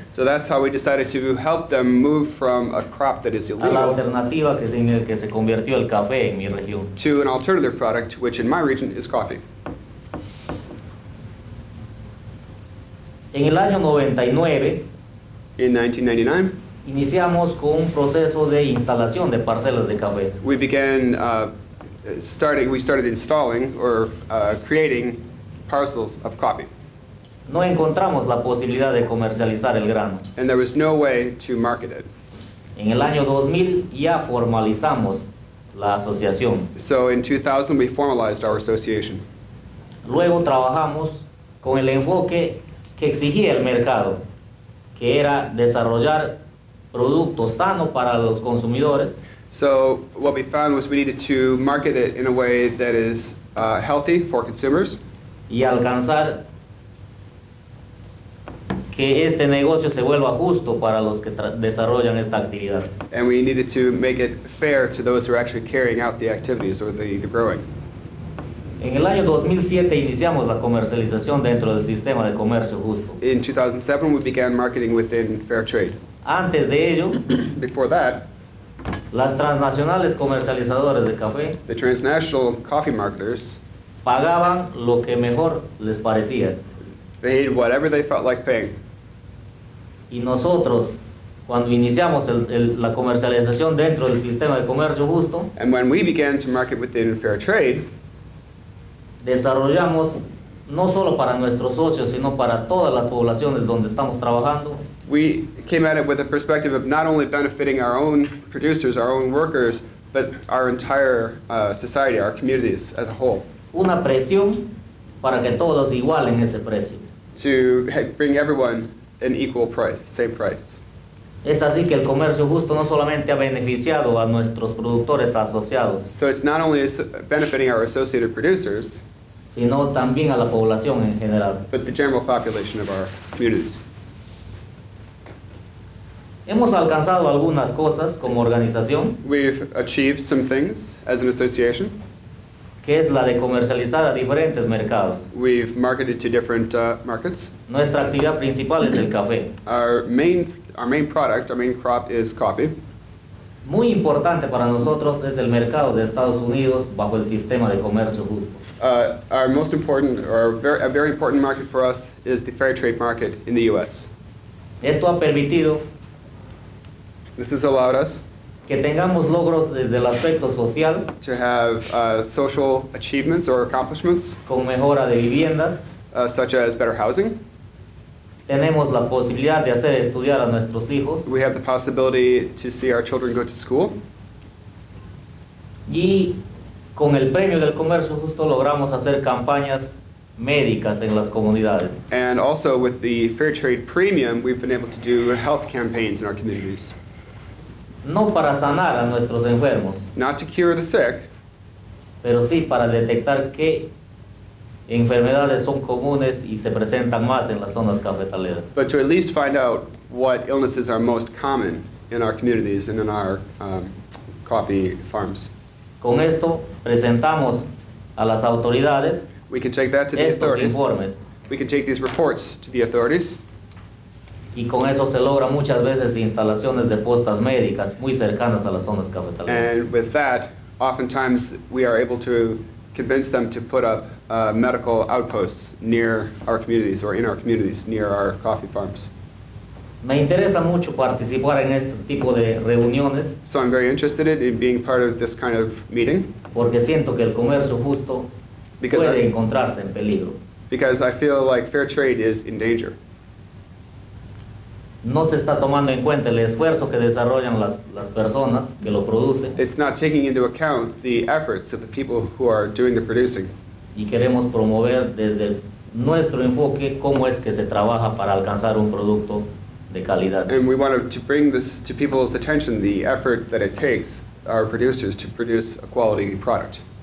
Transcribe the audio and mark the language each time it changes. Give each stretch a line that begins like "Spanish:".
English: So that's how we decided to help them move from a crop that is illegal.
Spanish: A la alternativa que se convirtió el café en mi región.
English: To an alternative product, which in my region is coffee.
Spanish: En el año 99.
English: In 1999.
Spanish: Iniciamos con un proceso de instalación de parcelas de café.
English: We began creating parcels of coffee.
Spanish: No encontramos la posibilidad de comercializar el grano.
English: And there was no way to market it.
Spanish: En el año 2000 ya formalizamos la asociación.
English: So in 2000 we formalized our association.
Spanish: Luego trabajamos con el enfoque que exigía el mercado, que era desarrollar productos sanos para los consumidores.
English: So what we found was we needed to market it in a way that is healthy for consumers.
Spanish: Y alcanzar que este negocio se vuelva justo para los que desarrollan esta actividad.
English: And we needed to make it fair to those who are actually carrying out the activities or the growing.
Spanish: En el año 2007 iniciamos la comercialización dentro del sistema de comercio justo.
English: In 2007 we began marketing within fair trade.
Spanish: Antes de ello,
English: before that,
Spanish: las transnacionales comercializadoras de café,
English: the transnational coffee marketers,
Spanish: pagaban lo que mejor les parecía.
English: They paid whatever they felt like paying.
Spanish: Y nosotros, cuando iniciamos la comercialización dentro del sistema de comercio justo,
English: and when we began to market within fair trade,
Spanish: desarrollamos no solo para nuestros socios, sino para todas las poblaciones donde estamos trabajando.
English: We came at it with a perspective of not only benefiting our own producers, our own workers, but our entire society, our communities as a whole.
Spanish: Una presión para que todos igualen ese precio.
English: To bring everyone an equal price, same price.
Spanish: Es así que el comercio justo no solamente ha beneficiado a nuestros productores asociados.
English: So it's not only benefiting our associated producers,
Spanish: sino también a la población en general.
English: But the general population of our communities.
Spanish: Hemos alcanzado algunas cosas como organización.
English: We've achieved some things as an association.
Spanish: Que es la de comercializar a diferentes mercados.
English: We've marketed to different markets.
Spanish: Nuestra actividad principal es el café.
English: Our main product, our main crop is coffee.
Spanish: Muy importante para nosotros es el mercado de Estados Unidos bajo el sistema de comercio justo.
English: Our most important, or a very important market for us is the fair trade market in the U.S.
Spanish: Esto ha permitido
English: this has allowed us
Spanish: que tengamos logros desde el aspecto social,
English: to have social achievements or accomplishments,
Spanish: con mejora de viviendas,
English: such as better housing.
Spanish: Tenemos la posibilidad de hacer estudiar a nuestros hijos.
English: We have the possibility to see our children go to school.
Spanish: Y con el premio del comercio justo logramos hacer campañas médicas en las comunidades.
English: And also with the fair trade premium, we've been able to do health campaigns in our communities.
Spanish: No para sanar a nuestros enfermos.
English: Not to cure the sick.
Spanish: Pero sí para detectar qué enfermedades son comunes y se presentan más en las zonas cafetaleras.
English: But to at least find out what illnesses are most common in our communities and in our coffee farms.
Spanish: Con esto presentamos a las autoridades.
English: We can take that to the authorities.
Spanish: Informes.
English: We can take these reports to the authorities.
Spanish: Y con eso se logra muchas veces instalaciones de postas médicas muy cercanas a las zonas cafetaleras.
English: And with that, oftentimes we are able to convince them to put up medical outposts near our communities or in our communities near our coffee farms.
Spanish: Me interesa mucho participar en este tipo de reuniones.
English: So I'm very interested in being part of this kind of meeting.
Spanish: Porque siento que el comercio justo puede encontrarse en peligro.
English: Because I feel like fair trade is in danger.
Spanish: No se está tomando en cuenta el esfuerzo que desarrollan las personas que lo producen.
English: It's not taking into account the efforts of the people who are doing the producing.
Spanish: Y queremos promover desde nuestro enfoque cómo es que se trabaja para alcanzar un producto de calidad.
English: And we wanted to bring this to people's attention, the efforts that it takes our producers to produce a quality product.